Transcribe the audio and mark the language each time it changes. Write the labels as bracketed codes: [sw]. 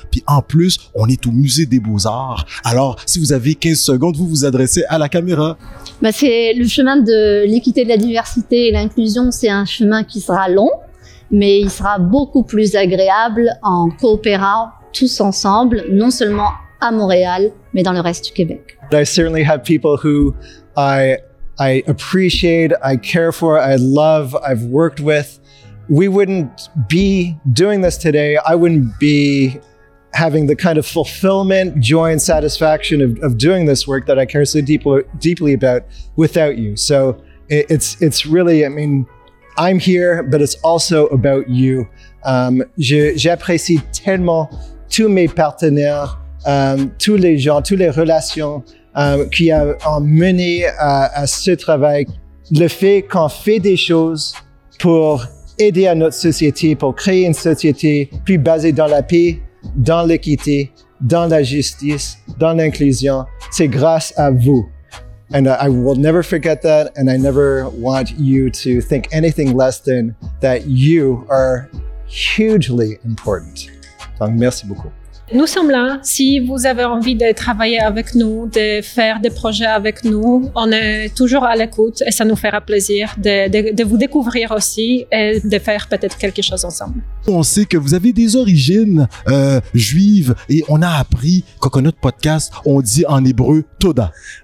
[fr] Puis en plus, on est au Musée des Beaux-Arts. Alors, si vous avez 15 secondes, vous vous adressez à la caméra. Ben c'est le chemin de l'équité, de la diversité et l'inclusion. C'est un chemin qui sera long, mais il sera beaucoup plus agréable en coopérant tous ensemble, non seulement à Montréal, mais dans le reste du Québec. [en] I certainly have people who I appreciate, I care for, I love, I've worked with. We wouldn't be doing this today. I wouldn't be having the kind of fulfillment, joy, and satisfaction of doing this work that I care so deeply about without you. So it's really, I mean, I'm here, but it's also about you. [fr] J'apprécie tellement tous mes partenaires, tous les gens, toutes les relations qui ont mené à ce travail. Le fait qu'on fait des choses pour aider à notre société, pour créer une société plus basée dans la paix, dans l'équité, dans la justice, dans l'inclusion, c'est grâce à vous. [en] And I will never forget that, and I never want you to think anything less than that you are hugely important. [fr] Donc, merci beaucoup. Nous sommes là. Si vous avez envie de travailler avec nous, de faire des projets avec nous, on est toujours à l'écoute et ça nous fera plaisir de vous découvrir aussi et de faire peut-être quelque chose ensemble. On sait que vous avez des origines juives et on a appris qu'au Coconut Podcast, on dit en hébreu « Toda ».